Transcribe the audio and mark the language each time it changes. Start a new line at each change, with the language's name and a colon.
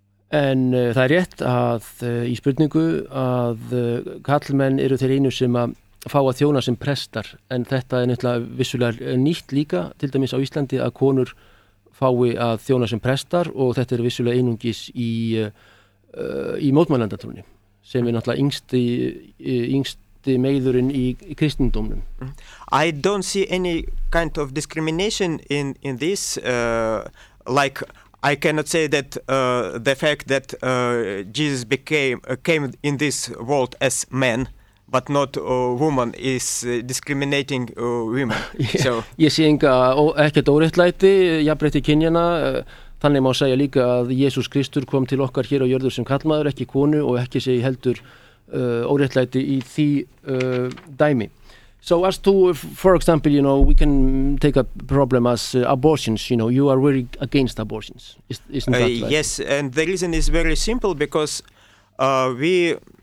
Icelandic: En það rétt að í spurningu að karlmenn eru þeir einu sem að fá að þjóna sem prestar en þetta náttúrulega vissulega nýtt líka til dæmis á Íslandi að konur fái að þjóna sem prestar og þetta vissulega einungis í mótmælendatrúni sem náttúrulega yngsti meiðurinn í kristindómnum
English: I don't see any kind of discrimination in this like I cannot say that the fact that Jesus came in this world as man but not a woman is discriminating women. So
Icelandic: ég sé enga ekkert óréttlæti jafnrétti kynjanna þannig má segja líka að Jesús Kristur kom til okkar hér á jörðu sem karlmaður ekki konu og ekki segi heldur óréttlæti í því dæmi.
English: So as to for example you know we can take a problem as abortions you know you are very against abortions isn't that right? Yes and the reason is very simple because we